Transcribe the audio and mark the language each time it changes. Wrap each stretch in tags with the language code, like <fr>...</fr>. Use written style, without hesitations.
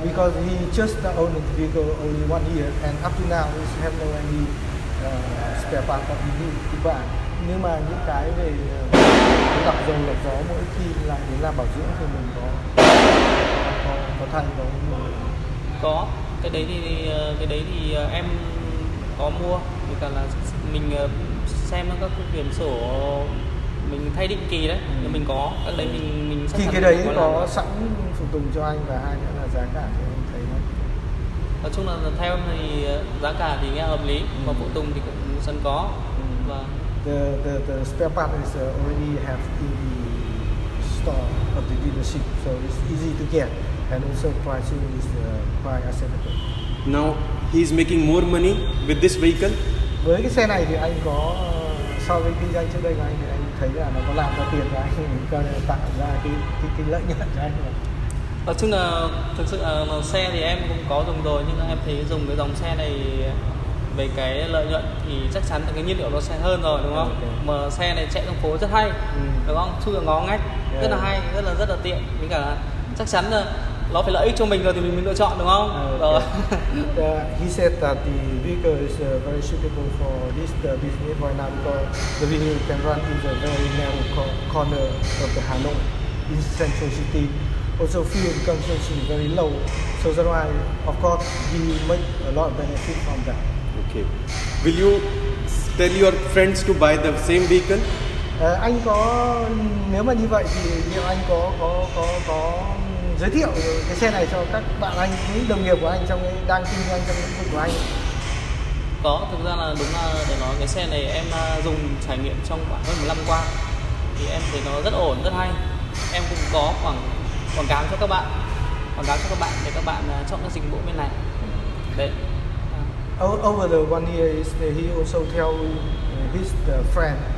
<en>Because he just owned the vehicle only 1 year and up to now he has no any spare part that he needs to buy.</en> <vi>Nhưng mà những cái về lọc dầu lọc gió mỗi khi làm đến làm bảo dưỡng thì mình có thay có mới. Có cái đấy thì em có mua, vì cả là mình xem các quyển sổ mình thay định kỳ đấy, thì mình có cái đấy mình thì cái đấy có sẵn phụ tùng cho anh, và hai nữa là giá cả thì em thấy nó nói chung là theo em thì giá cả thì nghe hợp lý. Mà phụ tùng thì cũng sẵn có. Và</vi> <en>The spare part is already have in the store of the dealership, so it's easy to get, and also pricing is quite acceptable. Now he is making more money with this vehicle.</en> <vi>Với cái xe này thì anh có so với kinh doanh trước đây của anh thì anh thấy là nó có làm ra tiền và anh có tạo ra cái lợi nhuận cho anh rồi. Nói chung là thực sự là xe thì em cũng có dùng rồi, nhưng em thấy dùng cái dòng xe này về cái lợi nhuận thì chắc chắn là cái nhiên liệu nó sẽ hơn rồi, đúng không? Okay. Mà xe này chạy trong phố rất hay, đúng không? Chui ngó ngách, yeah. Rất là hay, rất là tiện. Với cả chắc chắn là nó phải lợi ích cho mình rồi thì mình lựa chọn, đúng không? Okay. Rồi.</vi> <en>He said that the vehicle is very suitable for this business right now because the vehicle can run in the very narrow corner of the Hà Nội, in central city. Also fuel consumption very low, so that's why of course he make a lot of benefit from that. Okay. Will you tell your friends to buy the same vehicle?</en> <vi>Anh có, nếu mà như vậy thì liệu anh có giới thiệu cái xe này cho các bạn anh, những đồng nghiệp của anh trong cái đang kinh doanh trong lĩnh vực của anh? Có, thực ra là đúng là để nói cái xe này em dùng trải nghiệm trong khoảng hơn 1 năm qua thì em thấy nó rất ổn, rất hay. Em cũng có quảng cáo cho các bạn. Quảng cáo cho các bạn để các bạn chọn cái dịch vụ bên này. Đấy.</vi> <en>Over the 1 year, he also tell his friend.</en>